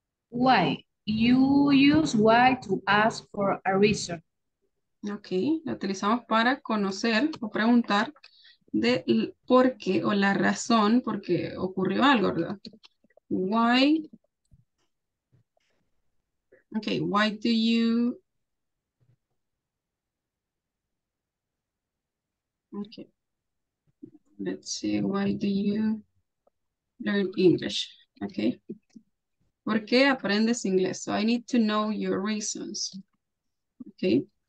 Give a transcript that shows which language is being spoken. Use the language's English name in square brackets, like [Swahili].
[English] Why, you use why to ask for a reason. [Spanish] Ok, la utilizamos para conocer o preguntar de por qué o la razón por qué ocurrió algo, ¿verdad? [English] Why. Okay, why do you, okay, let's see, why do you learn English, okay? [Spanish] ¿Por qué aprendes inglés? [English] So I need to know your reasons, okay?